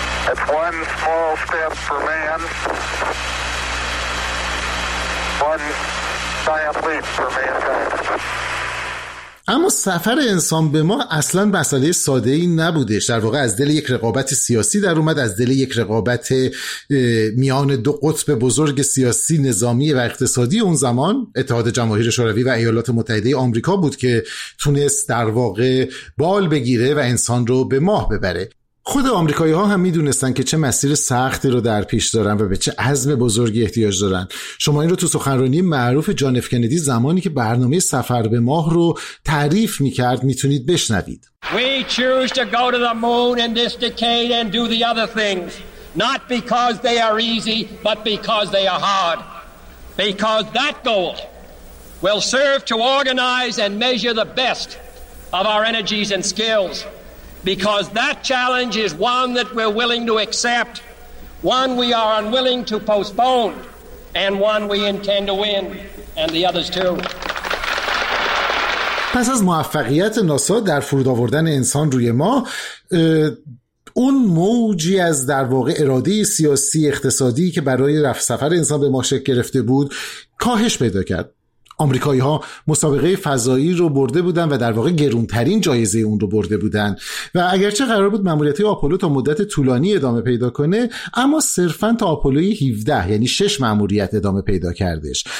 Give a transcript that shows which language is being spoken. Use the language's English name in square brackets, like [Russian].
[English] It's one small step for man, one giant leap for mankind. [Persian] اما سفر انسان به ما اصلا مسئله ساده ای نبودش. در واقع از دل یک رقابت سیاسی در اومد، از دل یک رقابت میان دو قطب بزرگ سیاسی، نظامی و اقتصادی اون زمان، اتحاد جماهیر شوروی و ایالات متحده آمریکا بود که تونست در واقع بال بگیره و انسان رو به ماه ببره. خود آمریکایی‌ها هم می‌دونستن که چه مسیر سختی رو در پیش دارن و به چه عزم بزرگی احتیاج دارن. شما این رو تو سخنرانی معروف جان اف کندی زمانی که برنامه سفر به ماه رو تعریف می‌کرد می‌تونید بشنوید. [English] We choose to go to the moon in this decade and do the other things, not because they are easy, but because they are hard. Because that goal will serve to organize and measure the best of our energies and skills. Because that challenge is one that we're willing to accept, one we are unwilling to postpone, and one we intend to win, and the others too. [Persian] پس از موفقیت ناسا در فرود آوردن انسان روی ماه، اون موجی از در واقع اراده سیاسی اقتصادی که برای رفت سفر انسان به ماه شکل گرفته بود کاهش پیدا کرد. آمریکایی ها مسابقه فضایی رو برده بودن و در واقع گرونترین جایزه اون رو برده بودن و اگرچه قرار بود ماموریت آپولو تا مدت طولانی ادامه پیدا کنه، اما صرفاً تا آپولوی 17 یعنی 6 ماموریت ادامه پیدا کردش.